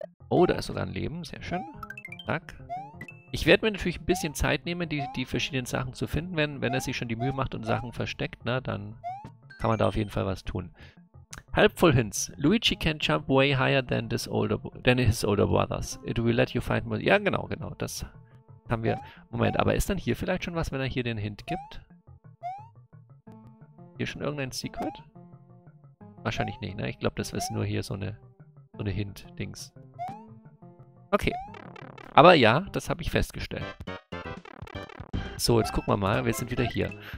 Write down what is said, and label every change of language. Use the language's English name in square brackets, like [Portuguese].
[German] Oh, da ist sogar ein Leben, sehr schön. Zack. Ich werde mir natürlich ein bisschen Zeit nehmen, die verschiedenen Sachen zu finden. Wenn er sich schon die Mühe macht und Sachen versteckt, ne, dann kann man da auf jeden Fall was tun. [English] Helpful Hints. Luigi can jump way higher than his older brothers. It will let you find more... [German] Ja, genau, das haben wir... Moment, aber ist dann hier vielleicht schon was, wenn er hier den Hint gibt? Hier schon irgendein Secret? Wahrscheinlich nicht, ne? Ich glaube, das ist nur hier so eine Hint-Dings. Okay. Aber ja, das habe ich festgestellt. So, jetzt gucken wir mal. Wir sind wieder hier.